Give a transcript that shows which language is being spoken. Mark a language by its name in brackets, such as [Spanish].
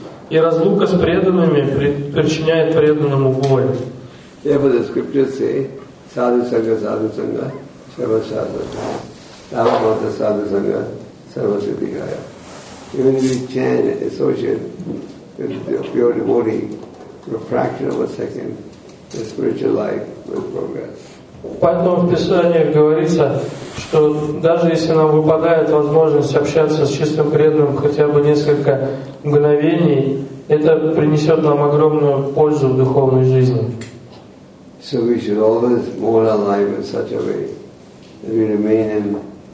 [Russian] И разлука с преданными причиняет преданному боль. [English] Even if you chant associate with your pure devotee for a fraction of a second, the spiritual life will progress. [Russian] Поэтому в Писаниях говорится, что даже если нам выпадает возможность общаться с чистым преданным хотя бы несколько мгновений, это принесет нам огромную пользу в духовной жизни. [English] So we should always mold our life in such a way that we remain in.